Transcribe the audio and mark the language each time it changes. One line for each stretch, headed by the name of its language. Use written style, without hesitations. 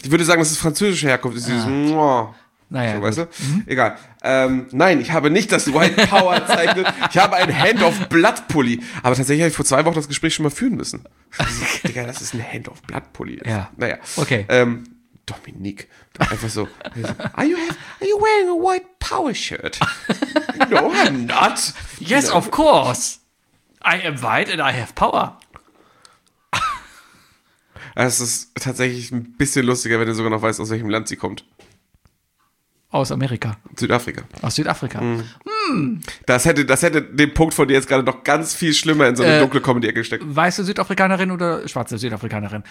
German: Ich würde sagen, das ist französische Herkunft, ist dieses Mua. Naja, so, weißt du? Egal. Nein, ich habe nicht das White Power Zeichen. Ich habe ein Hand of Blood Pulli. Aber tatsächlich habe ich vor 2 Wochen das Gespräch schon mal führen müssen. Digga, das ist ein Hand of Blood Pulli. Ja. Naja. Okay. Dominik. Einfach so.
English: Are you wearing a white power shirt? No, I'm not. Yes, of course. I am white and I have power.
German: Es ist tatsächlich ein bisschen lustiger, wenn du sogar noch weißt, aus welchem Land sie kommt. Aus Amerika. Südafrika. Aus Südafrika. Mm. Das hätte den Punkt von dir jetzt gerade noch ganz viel schlimmer in so eine dunkle Comedy gesteckt. Weiße Südafrikanerin oder schwarze Südafrikanerin?